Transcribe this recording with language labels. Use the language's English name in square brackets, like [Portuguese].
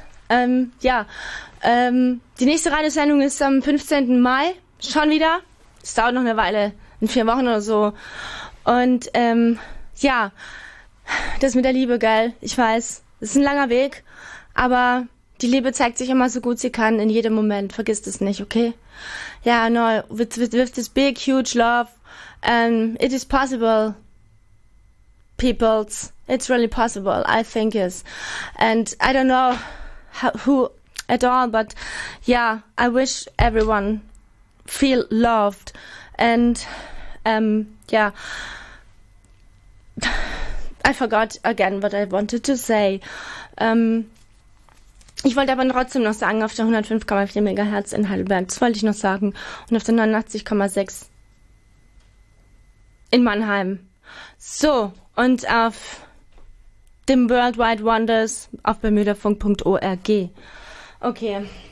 [German] Die nächste Radiosendung ist am 15. Mai. Schon wieder. Es dauert noch eine Weile, in 4 Wochen oder so. Und ja, das mit der Liebe, gell? Ich weiß, es ist ein langer Weg, aber die Liebe zeigt sich immer so gut sie kann, in jedem Moment. Vergiss das nicht, okay? [English] Ja, yeah, no, with this big, huge love, it is possible, peoples. It's really possible, I think it is. And I don't know who at all, but yeah, I wish everyone feel loved and I forgot again what I wanted to say. [German] Ich wollte aber trotzdem noch sagen, auf der 105,4 MHz in Heidelberg, das wollte ich noch sagen, und auf der 89,6 in Mannheim. So, und auf dem World Wide Wonders auf bermudafunk.org. Okay.